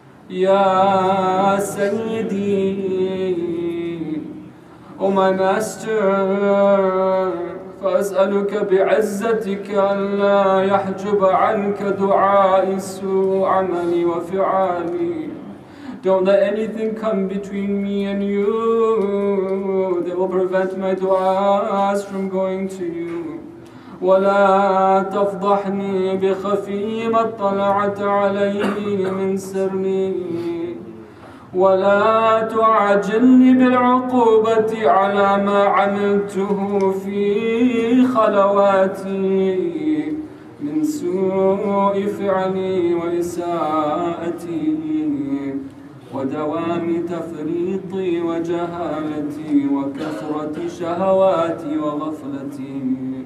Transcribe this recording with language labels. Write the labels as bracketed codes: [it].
[ar] يا سيدي, [en] oh my master, [ar] فأسألك بعزتك ألا يحجب عنك دعائي سوء عملي وفعالي. [en] Don't let anything come between me and you that will prevent my du'as from going to you. [ar] ولا تفضحني بخفي ما اطلعت عليه من سرني ولا تعجلني بالعقوبة على ما عملته في خلواتي من سوء فعلي وإساءتي ودوام تفريطي وجهالتي وكثرة شهواتي وغفلتي.